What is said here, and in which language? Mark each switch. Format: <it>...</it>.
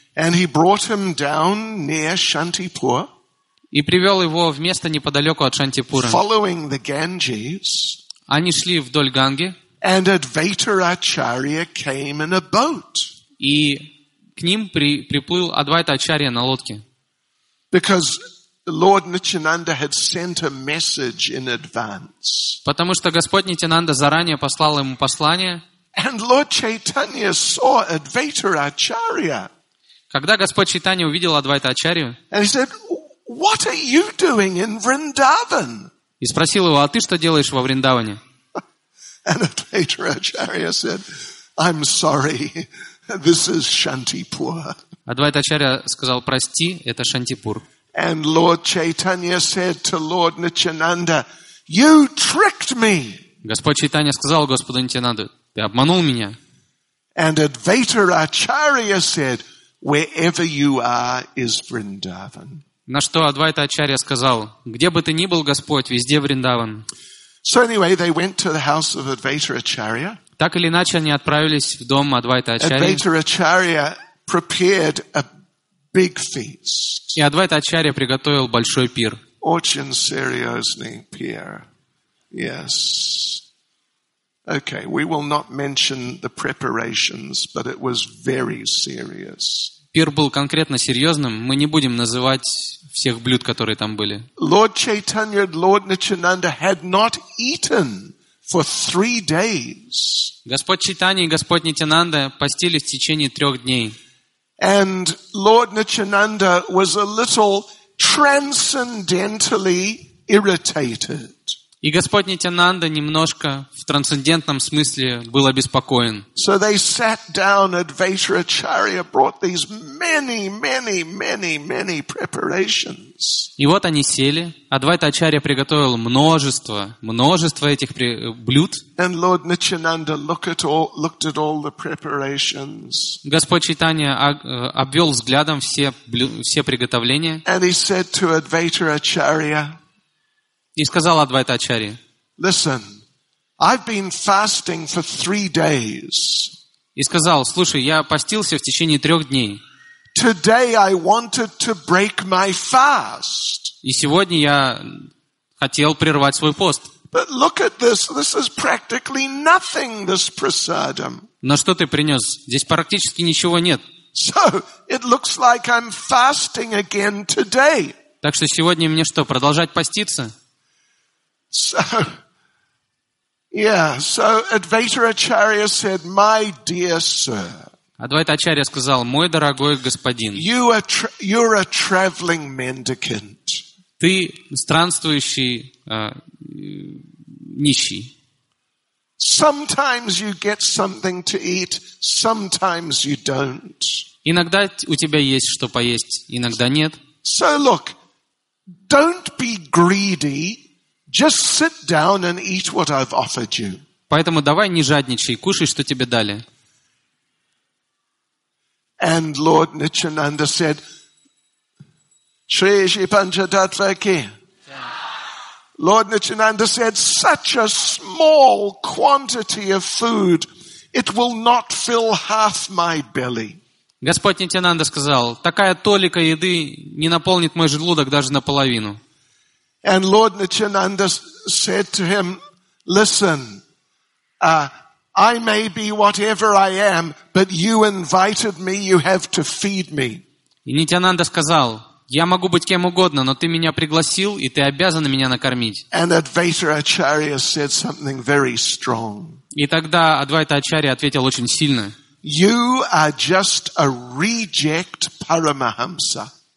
<en>And he brought him down near Shantipur.</en> <ru>И привел его в место неподалеку от Шантипура.</ru> <en>Following the Ganges.</en> <ru>Они шли вдоль Ганги.</ru> <en>And Advaita Acharya came in a boat.</en> <ru>И к ним приплыл Адвайта Ачарья на лодке.</ru> <en>Because Lord Nityananda had sent a message in advance.</en> <ru>Потому что Господь Нитянанда заранее послал ему послание.</ru> <en>And Lord Chaitanya saw Advaita Acharya.</en> <ru>Когда Господь Чайтанья увидел Адвайта Ачарью,</ru> <en>and he said, "What are you doing in Vrindavan?"</en> <ru>И спросил его, а ты что делаешь во Вриндаване?</ru> <en>And Advaita Acharya said, "I'm sorry, this is Shantipur."</en> <ru>Адвайта Ачарья сказал, прости, это Шантипур.</ru> <en>And Lord Chaitanya said to Lord Nityananda, "You tricked me."</en> <ru>Господь Чайтанья сказал Господу Нитянанду, ты обманул меня.</ru> <en>And Advaita Acharya said, "Wherever you are is Vrindavan."</en> <ru>На что Адвайта Ачарья сказал, где бы ты ни был, Господь, везде Вриндаван.</ru> <en>So anyway, they went to the house of Advaita Acharya.</en> <ru>Так или иначе, они отправились в дом Адвайта Ачарьи.</ru> <en>Advaita Acharya prepared a big feast.</en> <ru>И Адвайта Ачарья приготовил большой пир. Очень серьезный пир. Yes.</ru> <en>Okay, we will not mention the preparations, but it was very serious.</en> <ru>Пир был конкретно серьезным. Мы не будем называть всех блюд, которые там были.</ru> <en>Lord Chaitanya, Lord Nityananda had not eaten for 3 days.</en> <ru>Господь Чайтанья и Господь Нитянанда постились в течение 3 дней.</ru> <en>And Lord Nityananda was a little transcendentally irritated.</en> <ru>И Господь Нитянанда немножко в трансцендентном смысле был обеспокоен.</ru> <en>So they sat down, Advaitacharya brought these many, many, many, many preparations.</en> <ru>И вот они сели, Адвайта-ачарья приготовил множество этих блюд.</ru> <en>And Lord Nityananda looked at all the preparations.</en> <ru>Господь Чайтанья обвел взглядом все приготовления.</ru> <en>And he said to Advaitacharya,</en> <ru>и сказал Адвайта Ачарья,</ru> <en>listen, I've been fasting for 3 days.</en> <ru>И сказал, слушай, я постился в течение 3 дней.</ru> <en>Today I wanted to break my fast.</en> <ru>И сегодня я хотел прервать свой пост.</ru> <en>But look at this, this is practically nothing, this prasadam.</en> <ru>Но что ты принес? Здесь практически ничего нет.</ru> <en>So it looks like I'm fasting again today.</en> <ru>Так что сегодня мне что, продолжать поститься?</ru> <en>So Advaitacharya said, "My dear sir."</en> <ru>Адвайта-ачарья сказал, мой дорогой господин.</ru> <en>You're a traveling mendicant.</en> <ru>Ты странствующий нищий.</ru> <en>Sometimes you get something to eat, sometimes you don't.</en> <ru>Иногда у тебя есть что поесть, иногда нет.</ru> <en>So look, don't be greedy. Just sit down and eat what I've offered you.</en> <ru>Поэтому давай не жадничай, кушай, что тебе дали.</ru> <en>And Lord Nityananda said, Shri Panchatattvaki. Lord Nityananda said, such a small quantity of food, it will not fill half my belly.</en> <ru>Господь Нитянанда сказал, такая толика еды не наполнит мой желудок даже наполовину.</ru> <en>And Lord Nityananda said to him, listen, I may be whatever I am, but you invited me, you have to feed me.</en> <ru>И Нитянанда сказал, я могу быть кем угодно, но ты меня пригласил, и ты обязан меня накормить.</ru> <en>And Advaitacharya said something very strong.</en> <ru>И тогда Адвайта-ачарья ответил очень сильно.</ru> <en>You are just a reject Paramahamsa.</en>